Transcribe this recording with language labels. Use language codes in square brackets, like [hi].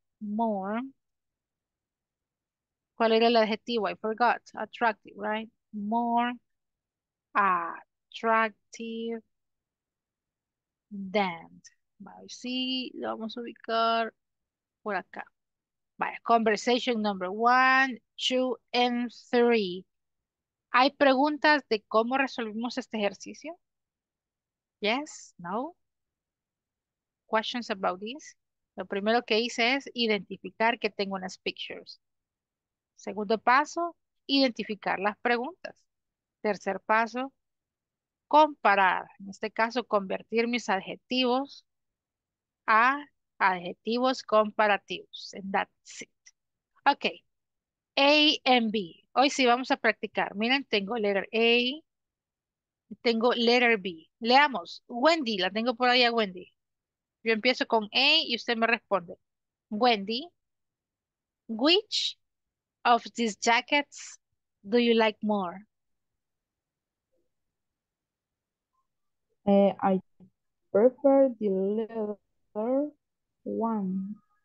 [en] More. [es] ¿Cuál era el adjetivo? [en] I forgot. Attractive, right? More attractive than. [es] Vale, sí, lo vamos a ubicar por acá. [en] Vaya, vale, conversation number one, two, and three. [es] ¿Hay preguntas de cómo resolvimos este ejercicio? [en] Yes, no. Questions about this? [es] Lo primero que hice es identificar que tengo unas pictures. Segundo paso, identificar las preguntas. Tercer paso, comparar. En este caso, convertir mis adjetivos a adjetivos comparativos. [en] And that's it. Ok. [es] A and B. Hoy sí vamos a practicar. Miren, tengo letter A. Tengo letter B. Leamos. Wendy, la tengo por ahí a Wendy. Yo empiezo con A y usted me responde. [en] Wendy, which of these jackets do you like more? I prefer the leather one.